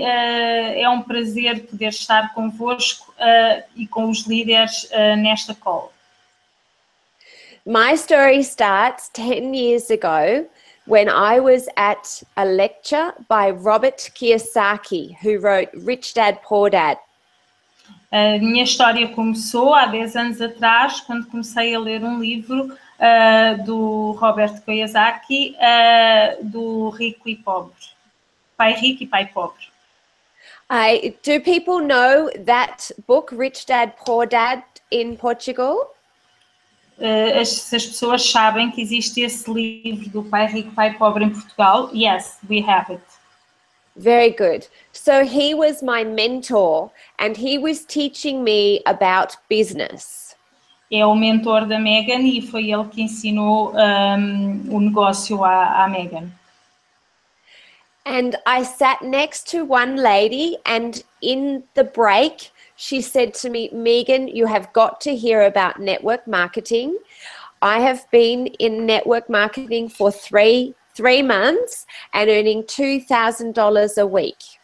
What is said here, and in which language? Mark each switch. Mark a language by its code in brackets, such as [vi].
[pt] É um prazer poder estar convosco e com os líderes nesta call. [en] My story starts 10 years ago when I was at a lecture by Robert Kiyosaki, who wrote Rich Dad Poor Dad. [pt] A minha história começou há 10 anos atrás, quando comecei a ler um livro do Robert Kiyosaki, do Rico e Pobre. Pai rico e pai pobre. [en] Do people know that book, Rich Dad, Poor Dad, in Portugal? [pt] As pessoas sabem que existe esse livro do Pai Rico, Pai Pobre em Portugal? [en] Yes, we have it. Very good. So he was my mentor and he was teaching me about business. [pt] É o mentor da Megan e foi ele que ensinou o negócio à Megan. [en] And I sat next to one lady and in the break, she said to me, Megan, you have got to hear about network marketing. I have been in network marketing for three months and earning $2,000 a week.